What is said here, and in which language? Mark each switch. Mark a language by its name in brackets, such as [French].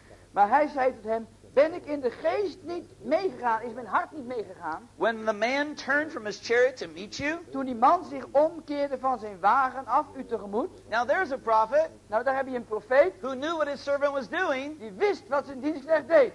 [Dutch] Maar hij zei tot hem, ben ik in de geest niet meegegaan, is mijn hart niet meegegaan? [English] When the man turned from his chariot to meet you. [Dutch] Toen die man zich omkeerde van zijn wagen af u tegemoet. [English] Now there's a prophet. [Dutch] Nou daar heb je een profeet. [English] Who knew what his servant was doing. [Dutch] Die wist wat zijn dienstknecht deed.